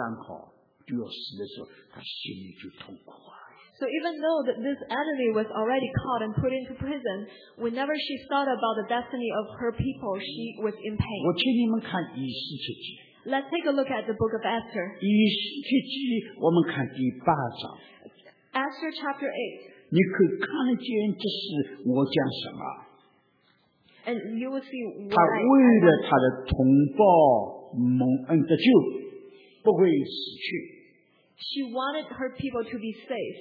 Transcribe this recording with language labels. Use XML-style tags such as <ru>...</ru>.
<zh>仇敌已经被捆绑起来了，被放，被监牢，关监牢头去了。但是他想到他的同胞12月13号就要死的时候，他心里就痛苦。</zh> <en>So even though this enemy was already caught and put into prison, whenever she thought about the destiny of her people, she was in pain.</en> <zh>我请你们看以斯帖记。</zh> <en>Let's take a look at the book of Esther.</en> <zh>以斯帖记，我们看第8章。</zh> <en>Esther chapter 8.</en> <zh>你可看见这是我讲什么？</zh> <en>And you will see why.</en> <zh>他为了他的同胞蒙恩得救，不会死去。</zh> <en>She wanted her people to be safe.</en>